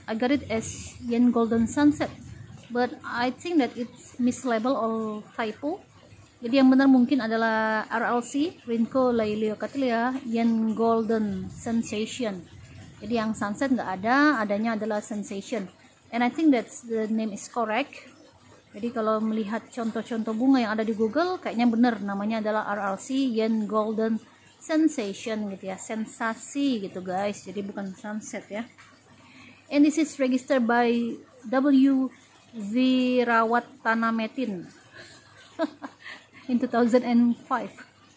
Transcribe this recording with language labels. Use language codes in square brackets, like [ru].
[en] I got it as Yen Golden Sunset, but I think that it's mislabeled or typo. [id] Jadi yang benar mungkin adalah RLC, Rhyncholaeliocattleya, Yen Golden Sensation. Jadi yang sunset nggak ada, adanya adalah sensation. [en] And I think that the name is correct. [id] Jadi kalau melihat contoh-contoh bunga yang ada di Google, kayaknya benar namanya adalah RLC, Yen Golden Sensation gitu ya, sensasi gitu guys. Jadi bukan sunset ya. [en] And this is registered by W. Veerawattanametin in 2005.